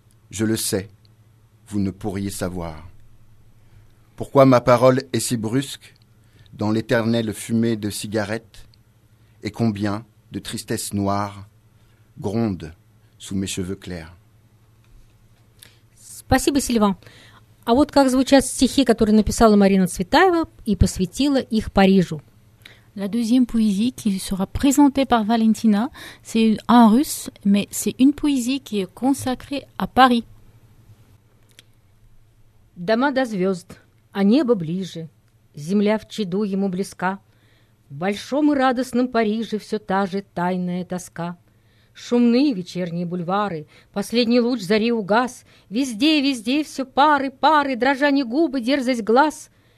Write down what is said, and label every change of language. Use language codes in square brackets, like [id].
[fr] Je le sais, vous ne pourriez savoir. Pourquoi ma parole est si brusque, dans l'éternelle fumée de cigarettes, et combien de tristesse noire gronde sous mes cheveux clairs? [ru] Спасибо, Сильван. А вот как звучат стихи, которые написала Марина Цветаева и посвятила их Парижу. [fr] La deuxième poésie qui sera présentée par Valentina, c'est en russe, mais c'est une poésie qui est consacrée à Paris. [ru] Дома до звезд, а небо ближе, земля в чаду ему близка. В большом и радостном Париже все та же тайная тоска. Шумны вечерние бульвары, последний луч зари угас, везде, везде все пары, пары, дрожание губы, дерзость глаз.